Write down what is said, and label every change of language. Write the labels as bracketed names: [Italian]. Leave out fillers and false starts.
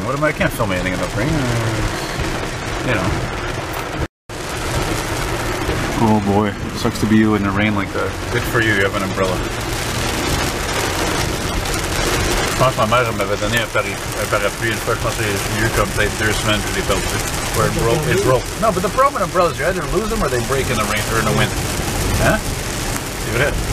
[English] What am I can't film anything in the rain. You know. Oh boy, it sucks to be you in the rain like that. Good for you, you have an umbrella. [French] Je pense que ma mère m'avait donné un parapluie une fois. Je pense que j'ai eu comme peut-être deux semaines que j'ai perdu. [English] Where it broke, it broke. No, but the problem with umbrellas, you either lose them or they break in the rain or in the wind. Huh? [French] C'est vrai.